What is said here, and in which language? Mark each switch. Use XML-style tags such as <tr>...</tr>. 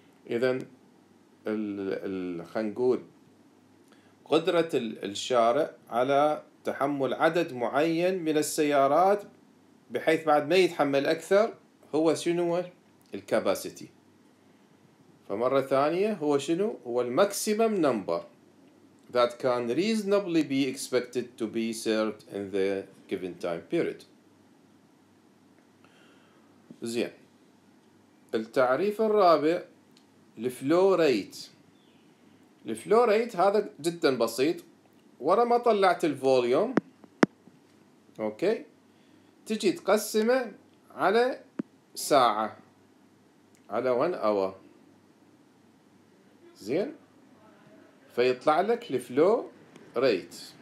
<ar>إذن خلينا نقول قدرة الشارع على تحمل عدد معين من السيارات بحيث بعد ما يتحمل أكثر هو شنو الكاباسيتي. فمرة ثانية هو شنو هو الماكسيمم نمبر</ar> <en>that can reasonably be expected to be served in the given time period.</en> <ar>زين التعريف الرابع الفلو ريت. الفلو ريت هذا جدا بسيط ورا ما طلعت الفوليوم اوكي تجي تقسمه على ساعة على 1 اور زين فيطلع لك الفلو ريت.</ar>